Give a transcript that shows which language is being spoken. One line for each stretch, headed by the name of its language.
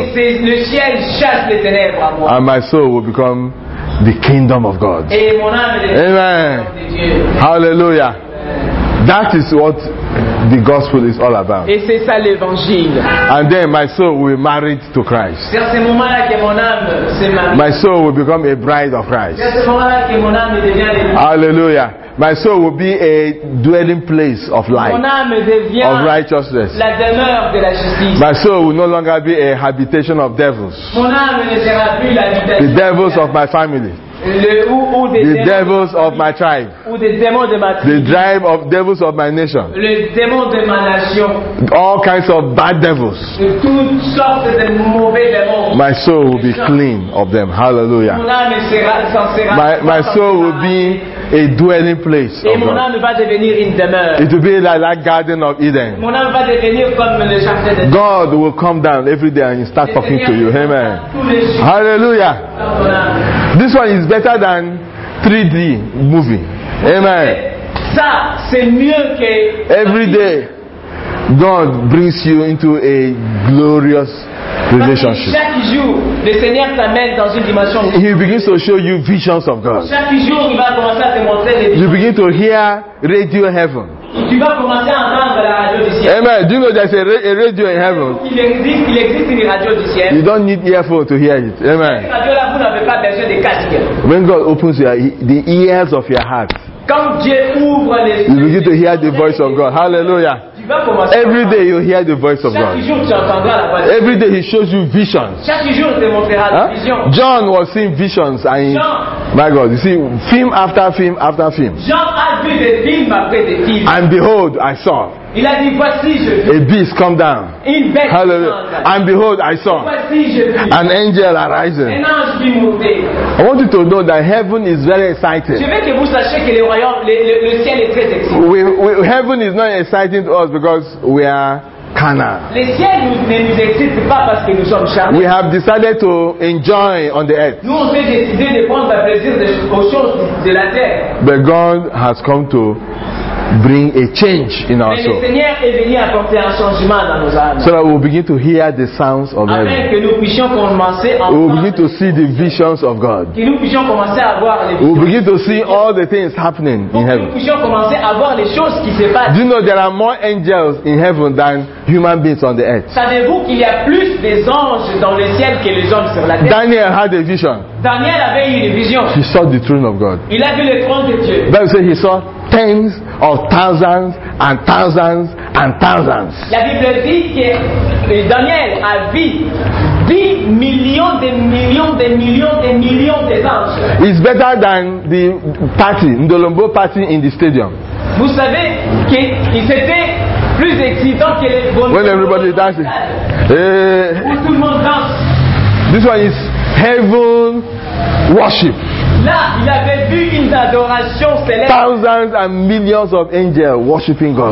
French: Et le ciel chasse les ténèbres à moi.
English: And my soul will become the kingdom of God.
French: Et mon âme est le
English: Amen.
French: Kingdom de Dieu. Hallelujah.
English: That is what the gospel is all about.
French: Et c'est ça l'évangile.
English: And then my soul will be married to Christ.
French: C'est à ce moment-là que mon âme se marie.
English: My soul will become a bride of Christ.
French: C'est à ce moment-là que mon âme devient une.
English: Hallelujah. My soul will be a dwelling place of life.
French: Mon âme devient
English: of righteousness.
French: La demeure de la justice.
English: My soul will no longer be a habitation of devils.
French: Mon âme ne sera plus l'habitation.
English: The devils of my family. The devils of my tribe. The tribe of devils of my nation.
French: Le démon de ma nation.
English: All kinds of bad devils.
French: Toutes sortes de mauvais démons.
English: My soul will be clean of them. Hallelujah.
French: Mon âme sera, s'en sera
English: my soul will be a dwelling place.
French: Et mon âme va devenir une demeure.
English: It will be like Garden of Eden.
French: Mon âme va devenir comme le jardin de
English: God will come down every day and start talking to you. Amen. Hallelujah. This one is better than 3D movie. Amen.
French: Ça, c'est mieux que
English: every day God brings you into a glorious relationship.
French: Chaque jour, le Seigneur t'amène dans une dimension.
English: He begins to show you visions of God.
French: Chaque jour, il va commencer à te montrer les.
English: You begin to hear radio heaven.
French: Tu vas commencer à entendre la radio du ciel.
English: Amen. Do you know there's a radio in heaven?
French: Il existe une radio du ciel.
English: You don't need earphones to hear it. Amen.
French: Radio là, vous n'avez pas besoin de casque.
English: When God opens the ears of your heart,
French: quand Dieu ouvre les yeux,
English: you begin to hear the voice of God. Hallelujah. Every day you hear the voice of
French: chaque
English: God.
French: Jour, tu entendras la voix.
English: Every day he shows you visions.
French: Chaque jour, te montrera la vision.
English: John was seeing visions. And
French: Jean,
English: my God, you see, film after film after film.
French: Jean a vu des films après des films.
English: And behold, I saw.
French: Il a dit, voici, je vis.
English: A beast come down.
French: Une bête.
English: Hallelujah. And behold, I saw.
French: Voici, je vis.
English: An angel arising.
French: Un ange vit monter.
English: I want you to know that heaven is very exciting.
French: Je veux que vous sachiez que le royaume, le ciel est très excitant.
English: Heaven is not exciting to us because we are carnal.
French: Le ciel ne nous excite pas parce que nous sommes charnels.
English: We have decided to enjoy on the earth.
French: Nous on s'est décidé de prendre plaisir aux choses de la terre.
English: But God has come to bring a change in our soul.
French: Le Seigneur est venu apporter un changement dans nos âmes.
English: So that we will begin to hear the sounds of heaven.
French: Afin que nous puissions commencer à.
English: We will begin to see the visions of God.
French: Que nous puissions commencer à voir les.
English: We will begin to see all the things happening in heaven.
French: Nous puissions commencer à voir les choses qui se passent.
English: Do you know there are more angels in heaven than human beings on the earth?
French: Savez-vous qu'il y a plus des anges dans le ciel que les hommes sur la terre?
English: Daniel had a vision.
French: Daniel avait une vision.
English: He saw the throne of God.
French: Il a vu le trône de Dieu.
English: Bible says he saw tens of thousands and thousands and thousands.
French: La Bible dit que Daniel a vu 10 millions de millions de millions de millions de anges.
English: It's better than the party, Ndolombo party in the stadium.
French: Vous savez que c'était plus excitant que les bonnes.
English: When everybody dances.
French: Où tout le monde danse.
English: This one is heaven worship.
French: Là, il avait vu une adoration céleste.
English: Thousands and millions of angels worshiping God.